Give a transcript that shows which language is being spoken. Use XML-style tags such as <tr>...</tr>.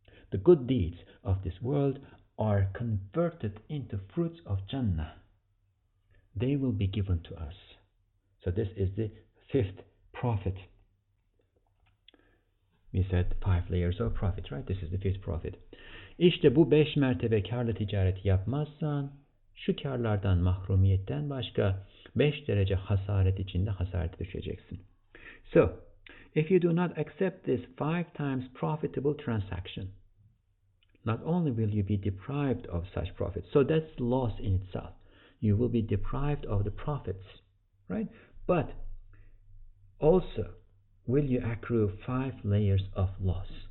<en>The good deeds of this world are converted into fruits of Jannah. They will be given to us. So this is the fifth prophet. We said five layers of prophet, right? This is the fifth prophet.</en> <tr>İşte bu beş mertebe karlı ticaret yapmazsan, şu karlardan mahrumiyetten başka beş derece hasaret içinde hasaret düşeceksin.</tr> <en>So, if you do not accept this five times profitable transaction, not only will you be deprived of such profits, so that's loss in itself. You will be deprived of the profits, right? But also, will you accrue five layers of loss?</en>